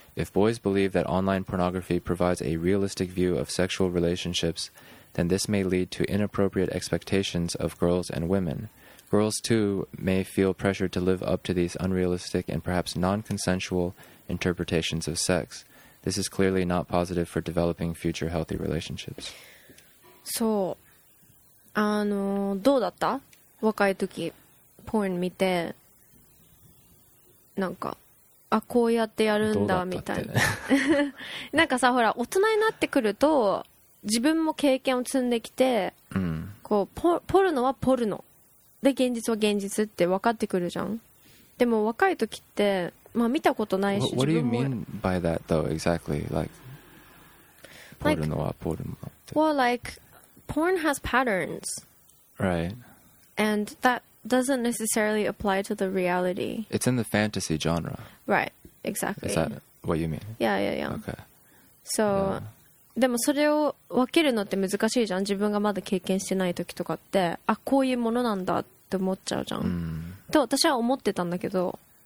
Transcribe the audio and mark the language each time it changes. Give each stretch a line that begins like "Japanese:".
English: If boys believe that online pornography provides a realistic view of sexual relationships, then this may lead to inappropriate expectations of girls and women. Girls, too, may feel pressured to live up to these unrealistic and perhaps non-consensual interpretations of sex. This is clearly not positive for developing future healthy relationships.
Japanese: そう。どうだった？若い時、ポーン見て、なんか、あ、こうやってやるんだ、みたいな。なんかさ、ほら、大人になってくると、自分も経験を積んできて、こう、ポルノはポルノ。で、現実は現実って分かってくるじゃん。でも若い時って、まあ見たことないし、
English: What do you mean by that though, exactly? Like, porno
Japanese: はポルノって。
English: Well, like, porn has patterns. Right. And that doesn't necessarily apply to the reality. It's in the fantasy genre. Right, exactly. Is that what you mean? Yeah, yeah, yeah. Okay.
Japanese: So, でもそれを分けるのって難しいじゃん。自分がまだ経験してない時とかって、あ、こういうものなんだって思っちゃうじゃん。と私は思ってたんだけど。